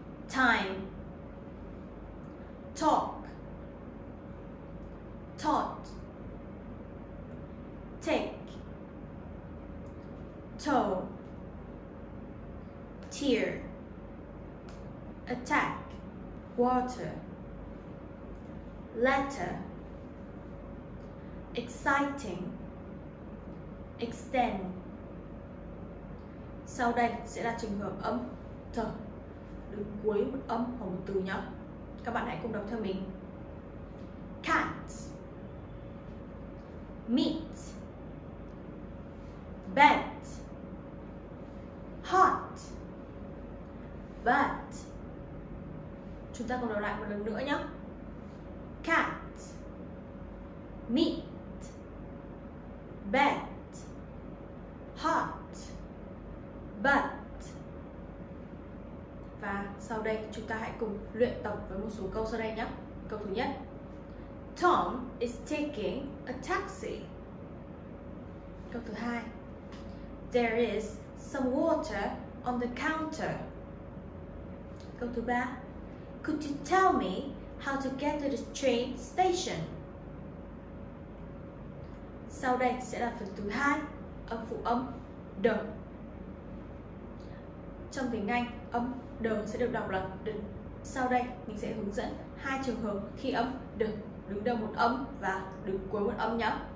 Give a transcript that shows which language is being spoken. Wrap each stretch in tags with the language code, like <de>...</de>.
<en>Time, talk, taught, take, toe, tear, attack, water, letter, exciting, extend.</en> <vi>Sau đây sẽ là trường hợp âm T đứng cuối một âm hoặc một từ nhé. Các bạn hãy cùng đọc theo mình.</vi> <en>Cat, meat, bed, hot, but.</en> <vi>Chúng ta cùng đọc lại một lần nữa nhé.</vi> <en>Cat, meat, bed, hot, but.</en> <vi>Và sau đây chúng ta hãy cùng luyện tập với một số câu sau đây nhé. Câu thứ nhất,</vi> <en>Tom is taking a taxi.</en> <vi>Câu thứ hai,</vi> <en>there is some water on the counter.</en> <vi>Câu thứ ba,</vi> <en>could you tell me how to get to the train station?</en> <vi>Sau đây sẽ là phần thứ hai, âm phụ âm D. Trong tiếng Anh, âm D sẽ được đọc là D. Sau đây, mình sẽ hướng dẫn hai trường hợp khi âm D đứng đầu một âm và đứng cuối một âm nhé.</vi>